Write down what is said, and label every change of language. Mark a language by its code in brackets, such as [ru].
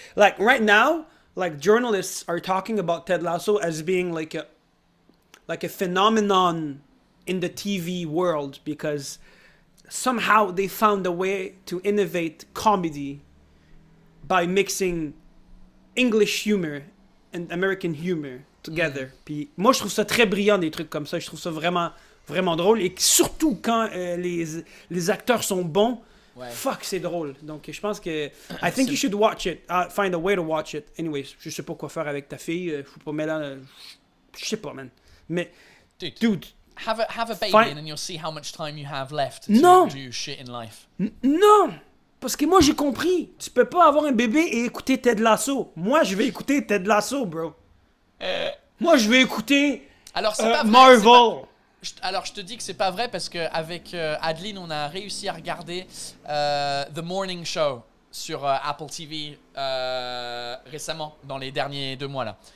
[en] Like, right now, like, journalists are talking about Ted Lasso as being like a phenomenon in the TV world, because somehow they found a way to innovate comedy by mixing English humor and American humor together. Mm-hmm. [fr] Puis moi, je trouve ça très brillant, des trucs comme ça. Je trouve ça vraiment, vraiment drôle. Et surtout quand les acteurs sont bons, ouais. Fuck, c'est drôle. Donc, je pense que... [en] I think you should watch it. [fr] Find a way to watch it. Anyways, je sais pas quoi faire avec ta fille. Je ne sais pas, man. Mais, dude. [en] Have a baby and then you'll see how much time you have left to do shit in life. [fr] Non, parce que moi j'ai compris. Tu peux pas avoir un bébé et écouter Ted Lasso. Moi je vais écouter Ted Lasso, bro. Moi je vais écouter. Alors c'est pas vrai, Marvel. C'est pas... Alors je te dis que c'est pas vrai parce que avec Adeline on a réussi à regarder The Morning Show sur Apple TV récemment dans les derniers deux mois là.